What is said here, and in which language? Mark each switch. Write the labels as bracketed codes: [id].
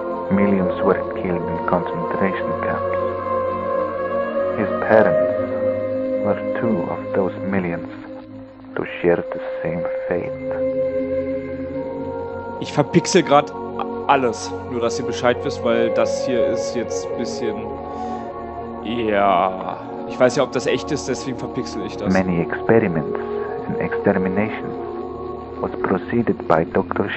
[en] Millions were killed in concentration camps. His parents were two of those millions. To share the same fate. [de] Ich verpixel gerade alles, nur dass ihr Bescheid wisst, weil das hier ist jetzt ein bisschen. Ja. Ich weiß ja, ob das echt ist, deswegen verpixel ich das. [en] Many experiments and extermination was proceeded by Dr.